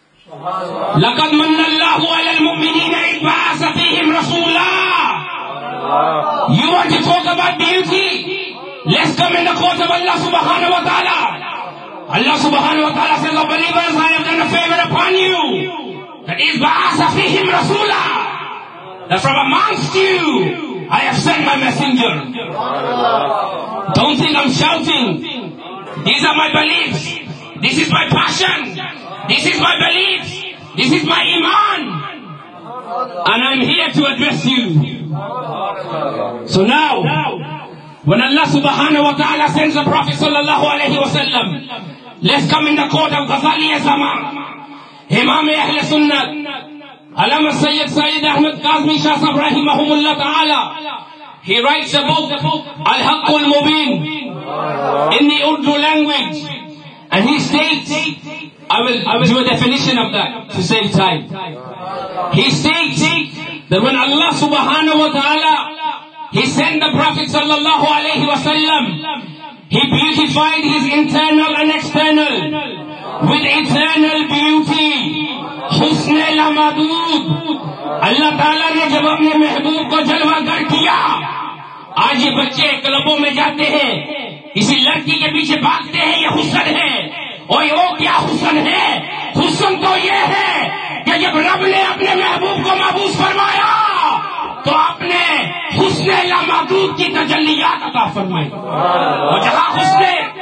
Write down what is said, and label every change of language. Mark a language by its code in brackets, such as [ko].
[ar] لَقَدْ مَنَّ اللَّهُ عَلَى الْمُؤْمِنِينَ إِذْ بَعَثَ فِيهِمْ رَسُولًا. [en] You want to talk about beauty? Let's come in the court of Allah subhanahu wa ta'ala. Allah subhanahu wa ta'ala says, oh believers, I have done a favor upon you. That is [ar] بَعَثَ فِيهِمْ رَسُولًا. [en] That from amongst you, I have sent my messenger. Don't think I'm shouting. These are my beliefs. This is my passion. This is my beliefs. This is my iman. And I'm here to address you. So now, when Allah subhanahu wa ta'ala sends the Prophet sallallahu alayhi wa sallam Let's come in the court of Ghazali Azama. Imam Ahl Sunnah. Alama Sayyid Sayyid Ahmed Kazmi Shah Sahib Rahimahumullah Ta'ala. He writes a book, Al-Haqq Al-Mubin, in the Urdu language. And he states, I will do a definition of that to save time. He states that when Allah subhanahu wa ta'ala, He sent the Prophet sallallahu alayhi wa sallam, He beautified His internal and external with eternal beauty. [ur] حسن الامدود اللہ تعالیٰ نے جب اپنے محبوب کو جلوہ گر کیا آج یہ بچے کلبوں میں جاتے ہیں اسی لڑکی کے پیچھے بھاگتے ہیں یہ حسن ہے اوئے او کیا حسن ہے حسن تو یہ ہے کہ جب رب نے اپنے محبوب کو محبوس فرمایا تو اپنے حسن الامدود کی تجلیات عطا فرمائی اور جہاں حسن